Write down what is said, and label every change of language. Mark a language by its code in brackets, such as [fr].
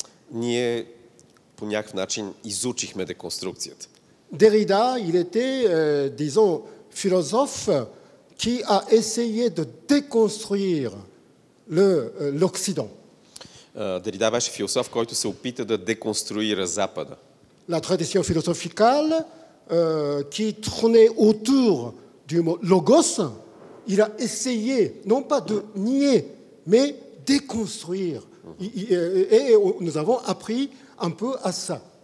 [bg] Ние по някакъв начин изучихме деконструкцията. [fr] Дерида, il était disons philosophe qui a essayé de déconstruire l'Occident. [bg] Derrida беше философ, който се опита да деконструира Запада. [fr] La tradition philosophicale qui tournait autour du mot logos, il a essayé non pas de nier, mais déconstruire. Et nous avons appris un peu à ça.